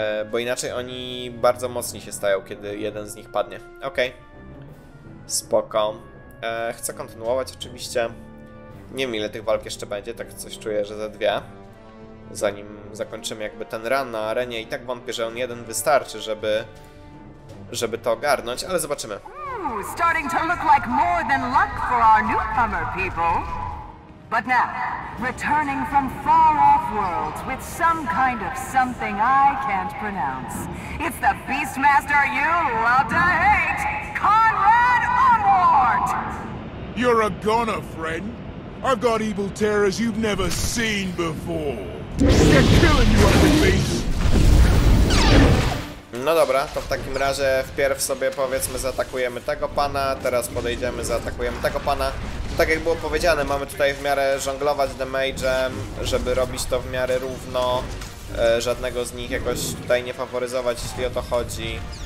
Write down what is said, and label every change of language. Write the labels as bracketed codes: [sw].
[pl] Bo inaczej oni bardzo mocni się stają, kiedy jeden z nich padnie. Okej. Okay. Spoko. Chcę kontynuować oczywiście. Nie wiem, ile tych walk jeszcze będzie, tak coś czuję, że za dwie. Zanim zakończymy jakby ten run na arenie. I tak wątpię, że on jeden wystarczy, żeby to ogarnąć, ale zobaczymy. [en] Starting to look like more than luck for our newcomer people. But now... Returning from far off worlds with some kind of something I can't pronounce. It's the Beastmaster you love to hate, Conrad Onward! You're a goner, friend. I've got evil terrors you've never seen before. They're killing you, ugly beast! [pl] No dobra, to w takim razie wpierw sobie powiedzmy zaatakujemy tego pana, teraz podejdziemy, zaatakujemy tego pana. Tak jak było powiedziane, mamy tutaj w miarę żonglować damage'em, żeby robić to w miarę równo, żadnego z nich jakoś tutaj nie faworyzować, jeśli o to chodzi.